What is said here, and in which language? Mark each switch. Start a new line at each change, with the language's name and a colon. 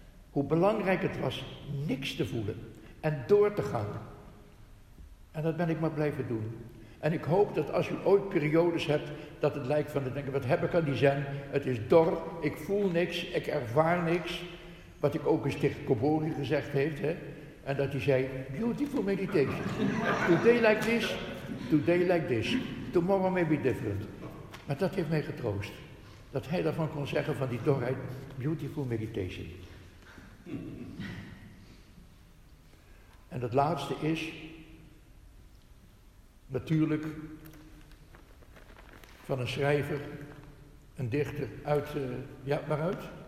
Dutch: Hoe belangrijk het was niks te voelen en door te gaan. En dat ben ik maar blijven doen. En ik hoop dat als u ooit periodes hebt, dat het lijkt van te denken, wat heb ik aan die zen? Het is dor, ik voel niks, ik ervaar niks. Wat ik ook eens tegen Kobori gezegd heeft, hè? En dat hij zei,
English: beautiful meditation. Today like this, today like this. Tomorrow may be different.
Dutch: Maar dat heeft mij getroost. Dat hij daarvan kon zeggen, van die dorheid,
English: beautiful meditation.
Dutch: En het laatste is, natuurlijk, van een schrijver, een dichter uit, ja, waaruit?